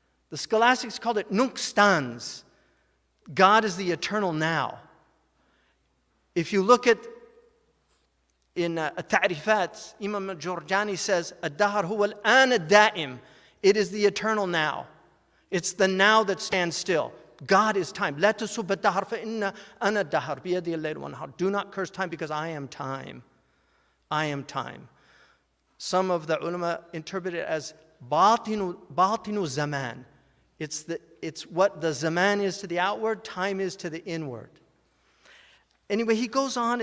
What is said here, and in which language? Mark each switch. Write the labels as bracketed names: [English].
[English] The scholastics called it nukstans. God is the eternal now. If you look at in At-Ta'rifat, Imam al-Jurjani says, [Arabic] "Ad-dahr huwa al-an ad-da'im." [English] It is the eternal now. It's the now that stands still. God is time. [Arabic] لا تسب الدهر فإن أنا الدهر بيدي الليل والنهار. [English] Do not curse time because I am time. I am time. Some of the ulama interpret it as batinu zaman. It's what the zaman is to the outward, time is to the inward. Anyway, he goes on.